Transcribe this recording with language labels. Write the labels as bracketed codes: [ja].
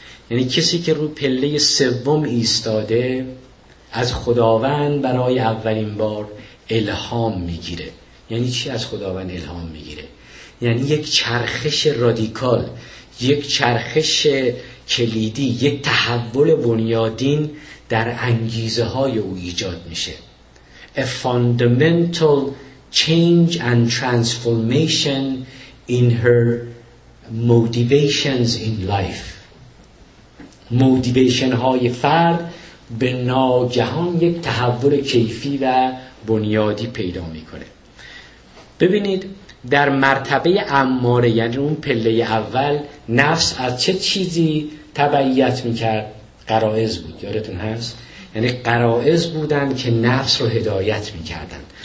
[fa] یعنی کسی که رو پله سوم ایستاده از خداوند برای اولین بار الهام میگیره. یعنی چی از خداوند الهام میگیره؟ یعنی یک چرخش رادیکال، یک چرخش کلیدی، یک تحول بنیادین در انگیزه های او ایجاد میشه. [en] A fundamental change and transformation in her motivations in life. [fa] موتیویشن های فرد به ناگهان یک تحول کیفی و بنیادی پیدا میکنه. ببینید در مرتبه اماره، یعنی اون پله اول، نفس از چه چیزی تبعیت میکرد؟ غرایز بود، یادتون هست؟ یعنی غرایز بودن که نفس رو هدایت میکردن.